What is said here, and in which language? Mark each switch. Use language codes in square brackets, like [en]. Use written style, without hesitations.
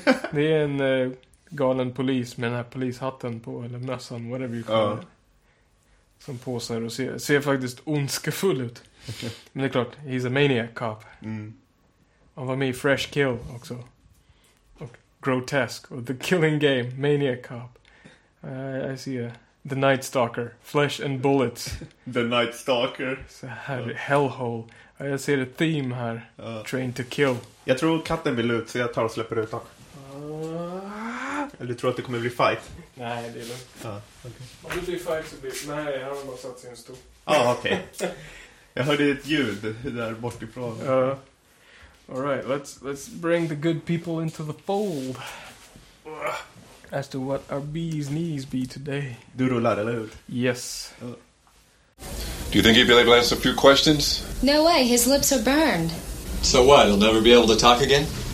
[sv] Det är en galen polis med den här polishatten på, eller mössan, [en] whatever you call it. [sv] Som påsar och ser faktiskt ondskefull ut. Men det är klart, [en] he's a maniac cop. Mm. [sv] Han var med i Fresh Kill också. Och Grotesque och The Killing Game, Maniac Cop. [en] I see The Night Stalker, Flesh and Bullets. The Night Stalker. [sv] Så här, Hellhole. Jag ser ett theme här. Train to kill. Jag tror katten vill ut, så jag tar och släpper ut honom. Eller du tror att det kommer bli fight? Nej, det är lugnt. Okay. Om det blir fight så blir... Nej, jag har bara satt sig en stor. Okej. Okay. Jag hörde ett ljud där bortifrån. [en] All right, let's bring the good people into the fold. As to what our bees knees be today. [sv] Du rullar, eller hur? [en] Yes. Do you think he'd be able to ask a few questions? No way, his lips are burned. So what, he'll never be able to talk again?